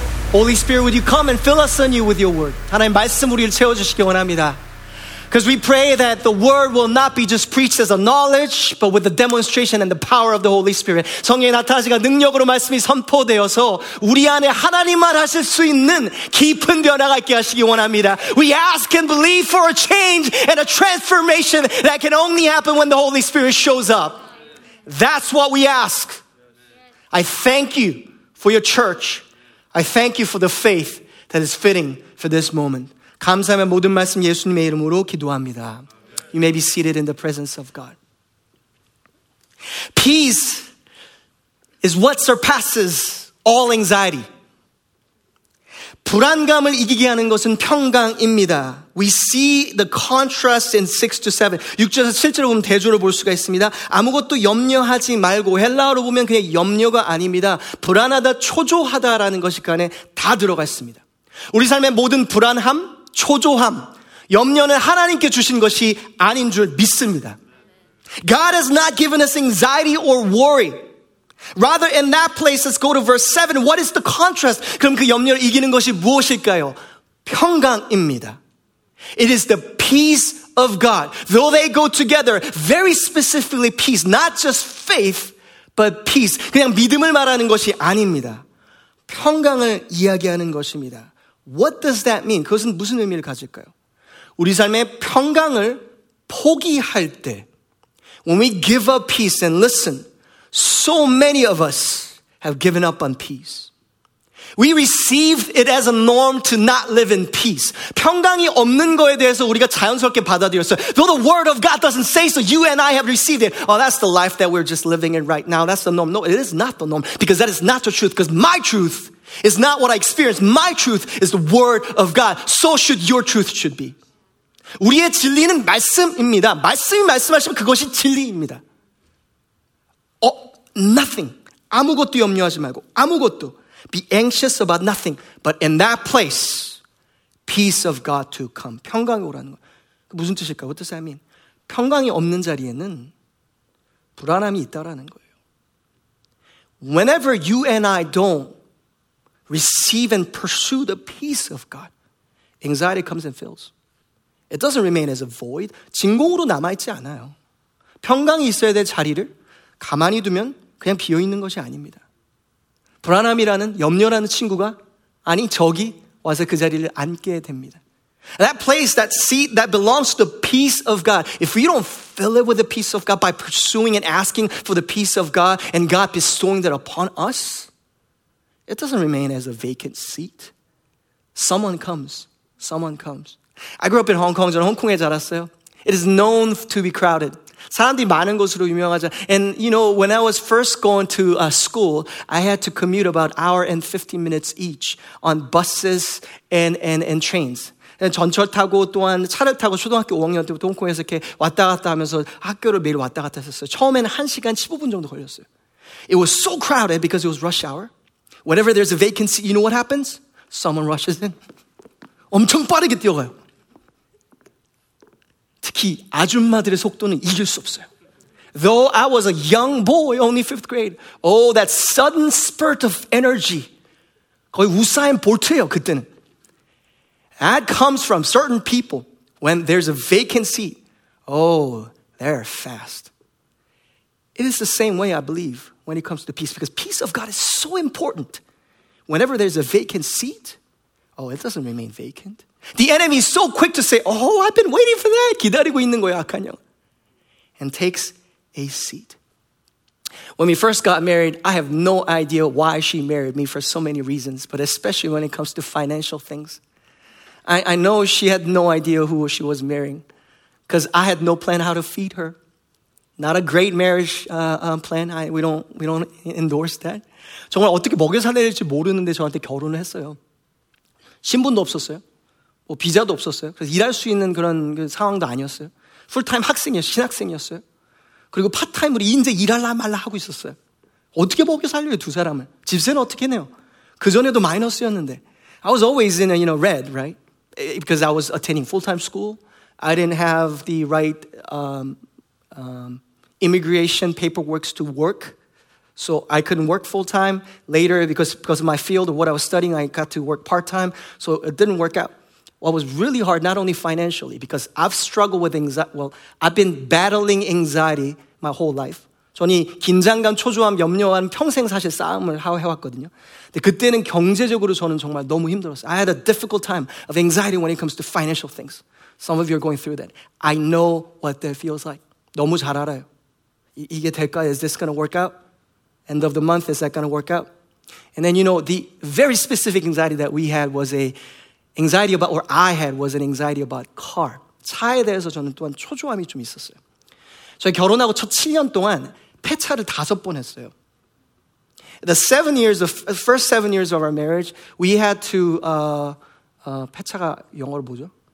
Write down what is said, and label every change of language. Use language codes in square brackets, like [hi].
[en] Holy Spirit, would you come and fill us anew with your word? [ko] 하나님 말씀 우리를 채워주시기 원합니다. [en] Because we pray that the word will not be just preached as a knowledge, but with the demonstration and the power of the Holy Spirit. [ko] 성령의 나타나시가 능력으로 말씀이 선포되어서 우리 안에 하나님만 하실 수 있는 깊은 변화가 있게 하시기 원합니다. [en] We ask and believe for a change and a transformation that can only happen when the Holy Spirit shows up. That's what we ask. I thank you for your church. I thank you for the faith that is fitting for this moment. [ko] 감사의 모든 말씀 예수님의 이름으로 기도합니다. [en] You may be seated in the presence of God. Peace is what surpasses all anxiety. [ko] 불안감을 이기게 하는 것은 평강입니다. [en] We see the contrast in 6 to 7. [ko] 6절에서 7절을 보면 대조를 볼 수가 있습니다. 아무것도 염려하지 말고 헬라어로 보면 그냥 염려가 아닙니다. 불안하다, 초조하다라는 것이 그 안에 다 들어가 있습니다. 우리 삶의 모든 불안함, 초조함, 염려는 하나님께 주신 것이 아닌 줄 믿습니다. [en] God has not given us anxiety or worry. Rather, in that place, let's go to verse 7. What is the contrast? [ko] 그럼 그 염려를 이기는 것이 무엇일까요? 평강입니다. [en] It is the peace of God. Though they go together, very specifically peace. Not just faith, but peace. [ko] 그냥 믿음을 말하는 것이 아닙니다. 평강을 이야기하는 것입니다. [en] What does that mean? [ko] 그것은 무슨 의미를 가질까요? 우리 삶의 평강을 포기할 때, [en] when we give up peace and listen, so many of us have given up on peace. We receive it as a norm to not live in peace. [ko] 평강이 없는 거에 대해서 우리가 자연스럽게 받아들였어요. [en] Though the word of God doesn't say so, you and I have received it. Oh, that's the life that we're just living in right now. That's the norm. No, it is not the norm because that is not the truth. Because my truth is not what I experience. My truth is the word of God. So should your truth should be. [ko] 우리의 진리는 말씀입니다. 말씀이 말씀하시면 그것이 진리입니다. [en] Nothing. [ko] 아무것도 염려하지 말고 아무것도. [en] Be anxious about nothing. But in that place, peace of God to come. [ko] 평강이 오라는 거. 무슨 뜻일까요? [en] What does that mean? [ko] 평강이 없는 자리에는 불안함이 있다라는 거예요. [en] Whenever you and I don't receive and pursue the peace of God, anxiety comes and fills. It doesn't remain as a void. [ko] 진공으로 남아있지 않아요. 평강이 있어야 될 자리를 가만히 두면 그냥 비어있는 것이 아닙니다. 불안함이라는, 염려라는 친구가 아니, 적이 와서 그 자리를 앉게 됩니다. [en] That place, that seat that belongs to the peace of God, if we don't fill it with the peace of God by pursuing and asking for the peace of God and God bestowing that upon us, it doesn't remain as a vacant seat. Someone comes. Someone comes. I grew up in Hong Kong. [ko] 저는 홍콩에 자랐어요. [en] It is known to be crowded. [ko] 사람들이 많은 곳으로 유명하죠. [en] And you know, when I was first going to school, I had to commute about an hour and 15 minutes each on buses and trains. [ko] 전철 타고 또한 차를 타고 초등학교 5학년 때부터 홍콩에서 이렇게 왔다 갔다 하면서 학교를 매일 왔다 갔다 했었어요. 처음에는 1시간 15분 정도 걸렸어요. [en] It was so crowded because it was rush hour. Whenever there's a vacancy, you know what happens? Someone rushes in. [ko] 엄청 빠르게 뛰어가요. 특히 아줌마들의 속도는 이길 수 없어요. [en] Though I was a young boy, only fifth grade, oh, that sudden spurt of energy. [ko] 거의 우사인 볼트예요, 그때는. [en] That comes from certain people. When there's a vacant seat, oh, they're fast. It is the same way, I believe, when it comes to peace, because peace of God is so important. Whenever there's a vacant seat, oh, it doesn't remain vacant. The enemy is so quick to say, oh, I've been waiting for that. [ko] 기다리고 있는 거야, 악한 형. [en] And takes a seat. When we first got married, I have no idea why she married me for so many reasons, but especially when it comes to financial things. I know she had no idea who she was marrying because I had no plan how to feed her. Not a great marriage plan. We don't endorse that. [ko] 정말 어떻게 먹여 살아야 될지 모르는데 저한테 결혼을 했어요. 신분도 없었어요. 뭐 비자도 없었어요. 그래서 일할 수 있는 그런 그 상황도 아니었어요. 풀타임 학생이었어요. 신학생이었어요. 그리고 파트타임으로 이제 일할라 말라 하고 있었어요. 어떻게 먹여 살려요, 두 사람을. 집세는 어떻게 내요? 그전에도 마이너스였는데. [en] I was always in a, you know, red, right? Because I was attending full-time school. I didn't have the right immigration paperwork to work. So I couldn't work full-time later because of my field or what I was studying. I got to work part-time. So it didn't work out. What was really hard, not only financially, because I've struggled with anxiety. Well, I've been battling anxiety my whole life. [ko] 저는 긴장감, 초조함, 염려감 평생 사실 싸움을 해왔거든요. 근데 그때는 경제적으로 저는 정말 너무 힘들었어요. [en] I had a difficult time of anxiety when it comes to financial things. Some of you are going through that. I know what that feels like. [ko] 너무 잘 알아요. 이게 될까요? [en] Is this going to work out? End of the month, is that going to work out? And then, you know, the very specific anxiety that we had was a anxiety about, or I had, was an anxiety about car. [ko] 차에 대해서 저는 또한 초조함이 좀 있었어요. 저희 결혼하고 첫 7년 동안 폐차를 다섯 번 했어요. [en] The first 7 years of our marriage, we had to, [ko] 폐차가 영어로 뭐죠?